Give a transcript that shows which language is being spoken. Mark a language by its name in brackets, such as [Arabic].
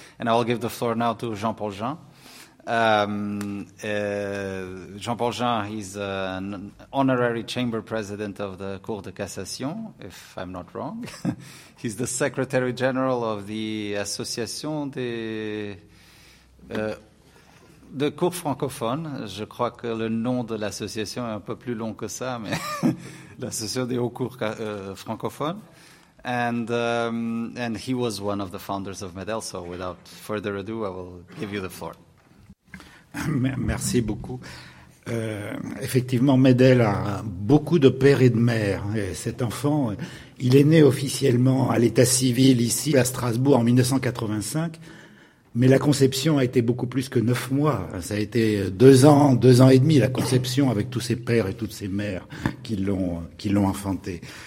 [English] And I'll give the floor now to Jean-Paul Jean. Jean-Paul Jean is an honorary chamber president of the Cour de Cassation, if I'm not wrong. He's the secretary general of the Association des... [French] De Cour francophone, je crois que le nom de l'association est un peu plus long que ça, mais l'association des hauts cours francophones. [English] And he was one of the founders of Medel, so without further ado, I will give you the floor. [French] Merci beaucoup. Effectivement, Medel a beaucoup de pères et de mères. Et cet enfant, il est né officiellement à l'état civil ici, à Strasbourg, en 1985. Mais la conception a été beaucoup plus que 9 mois. Ça a été 2 ans et demi, la conception, avec tous ses pères et toutes ses mères qui l'ont enfanté.